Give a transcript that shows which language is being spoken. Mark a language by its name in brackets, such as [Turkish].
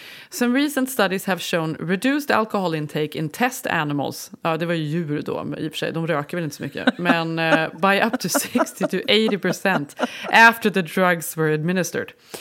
[English] "Some recent studies have shown reduced alcohol intake in test animals." [Swedish] Ja, det var ju djur då, i och för sig. De röker väl inte så mycket. [English] "Men by up to 60-80% after the drugs were administered."